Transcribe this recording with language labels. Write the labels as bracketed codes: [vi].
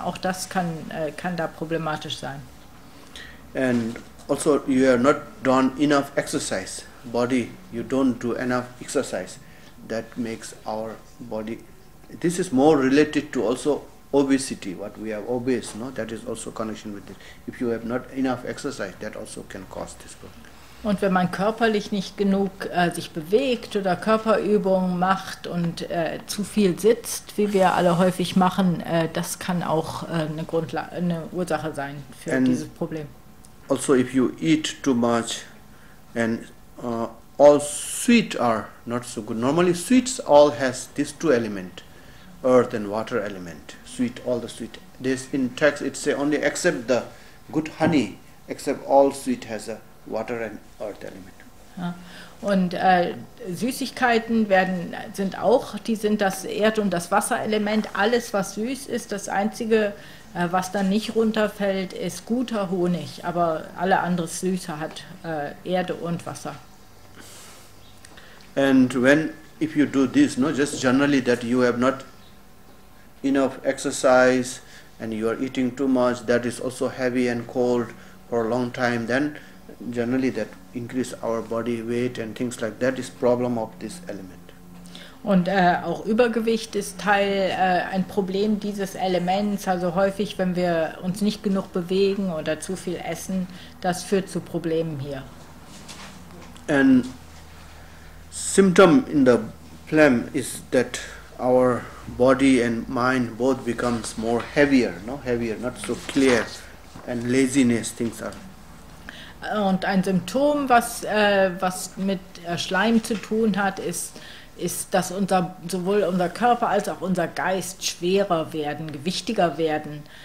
[de] Auch das kann da problematisch sein. [en] And also you have not done enough exercise. Body, you don't do enough exercise, that makes our body, this is more related to also obesity, what we have obese, no, that is also connection with it. If you have not enough exercise, that also can cause this problem. [de] Und wenn man körperlich nicht genug sich bewegt oder Körperübungen macht und zu viel sitzt, wie wir alle häufig machen, das kann auch eine Ursache sein für [en] and [de] dieses Problem. [en] Also if you eat too much and all sweet are not so good. Normally sweets all has these two element, earth and water element. Sweet, all the sweet. This in text it say only except the good honey, except all sweet has a water and earth element. [de] Und Süßigkeiten werden sind auch, die sind das Erd- und das Wasserelement. Alles was süß ist, das einzige was dann nicht runterfällt, ist guter Honig, aber alle andere Süße hat Erde und Wasser. [en] And when, if you do this, no, just generally that you have not enough exercise and you are eating too much, that is also heavy and cold for a long time, then generally that increase our body weight and things like that is problem of this element. [de] Und auch Übergewicht ist Teil ein Problem dieses Elements. Also häufig, wenn wir uns nicht genug bewegen oder zu viel essen, das führt zu Problemen hier. [en] And symptom in the phlegm is that our body and mind both becomes more heavier, no? Heavier, not so clear, and laziness things are. [de] Und ein Symptom, was mit Schleim zu tun hat, ist, dass sowohl unser Körper als auch unser Geist schwerer werden, gewichtiger werden.